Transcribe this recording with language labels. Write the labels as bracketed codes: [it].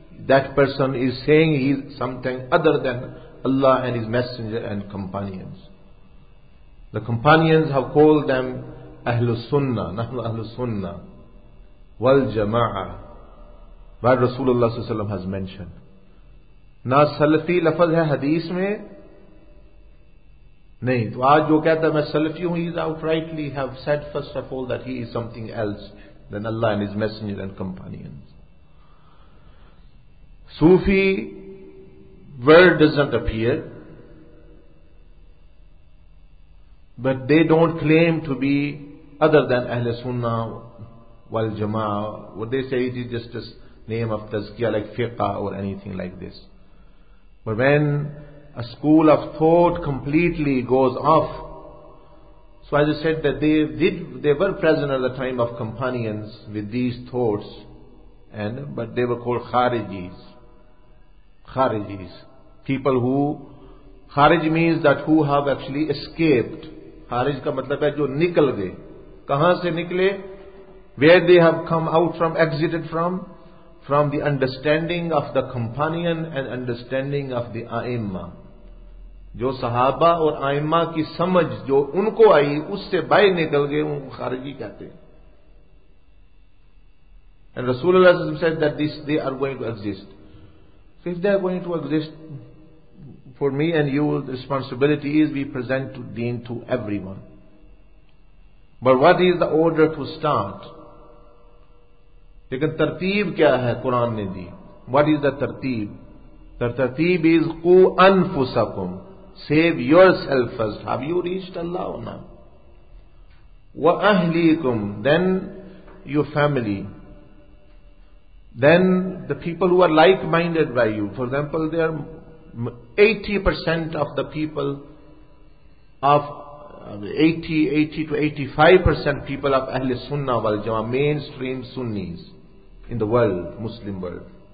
[en] That person is saying he is something other than Allah and His Messenger and companions. The companions have called them Ahlul Sunnah, [ar] Nahnu Ahlul Sunnah, Wal Jama'ah, [en] what Rasulullah has mentioned. [ur] ناسلتی لفظ ہے حدیث میں نہیں. تو آج جو کہتا ہے میں سلفی ہوں, [en] he's outrightly have said first of all that he is something else than Allah and his messenger and companions. Sufi word doesn't appear, but they don't claim to be other than Ahl Sunnah wal Jama'ah. What they say, it is just a name of tazkiyah like fiqh or anything like this. But when a school of thought completely goes off, so as I said that they were present at the time of companions with these thoughts, but they were called Kharijis. Kharijis. People who, Kharij means that who have actually escaped. [ur] Kharij ka matlab hai jo nikal gaye. Kahan se nikle? [en] Where they have come out from, exited from? From the understanding of the companion and understanding of the a'imma. [ur] جو صحابہ اور آئمہ کی سمجھ جو ان کو آئی اس سے باہر نکل گئے ان کو خارجی کہتے ہیں. [en] And رسول اللہ صلی اللہ علیہ وسلم said that this, they are going to exist. So if they are going to exist, for me and you, the responsibility is we present to deen to everyone. But what is the order to start? [ur] لیکن ترتیب کیا ہے قرآن نے دی. [en] What is the ترتیب? The ترتیب is [ar] قو انفسکم. [en] Save yourself first. Have you reached Allah or not? Wa ahlikum, then your family, then the people who are like-minded by you. For example, there are 80% of the people of 80 to 85% people of Ahl Sunnah wal Jama'ah, mainstream Sunnis in the world, Muslim world.